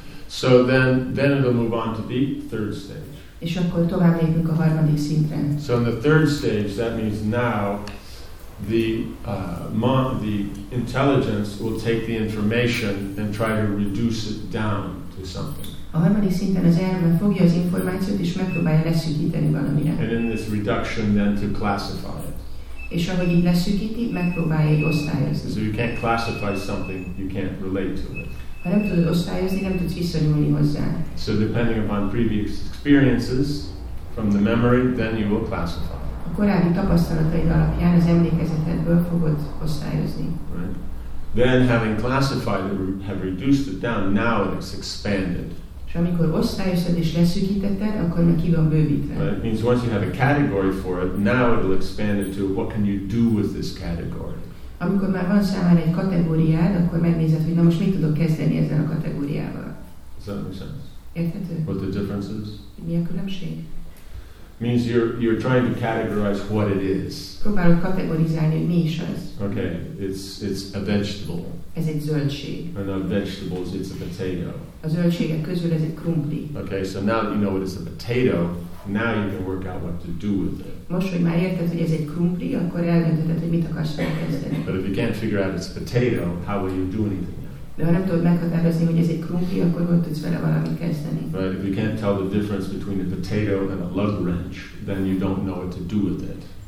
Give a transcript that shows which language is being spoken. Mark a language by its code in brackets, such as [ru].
[en] So then it'll move on to the third stage. [hu] És akkor tovább lépünk a harmadik szintre. [en] So in the third stage, that means now the intelligence will take the information and try to reduce it down to something. [hu] A harmadik szinten az elme fogja az információt és megpróbálja leszűkíteni valamire. [en] And in this reduction, then to classify it. [hu] És ahogy így leszűkíti, megpróbálja így osztályozni. [en] So you can't classify something, you can't relate to it. [hu] Ha nem tudod osztályozni, nem tudsz visszanyúlni hozzá. [en] So depending upon previous experiences from the memory, then you will classify. [hu] A korábbi tapasztalataid alapján az emlékezetedből fogod osztályozni. [en] Right. Then having classified it, have reduced it down, now it's expanded. [hu] És amikor osztályozod és leszűkítetted, akkor meg ki van bővítve. [en] But it means once you have a category for it, now it will expand it to what can you do with this category. [hu] Amikor már van számára egy kategóriád, akkor megnézed, hogy na most mit tudok kezdeni ezzel a kategóriával. [en] Does that make sense? [hu] Érthető? [en] What the difference is? [hu] Mi a különbség? [en] Means you're trying to categorize what it is. [hu] Próbálod kategorizálni, hogy mi is az. [en] Okay, it's a vegetable. [hu] Ez egy zöldség. [en] And of vegetables, it's a potato. [hu] A zöldségek közül ez egy krumpli. [en] Okay, so now that you know it is a potato, now you can work out what to do with it. [hu] Most, hogy már érted, hogy ez egy krumpli, akkor eldöntheted, hogy mit akarsz elkezdeni. [en] But if you can't figure out it's a potato, how will you do anything yet? [hu] De ha nem tudod meghatározni, hogy ez egy krumpli, akkor hogy tudsz vele valamit kezdeni? [en] Right, if you can't tell the difference between a potato and a lug wrench, then you don't know what to do with it.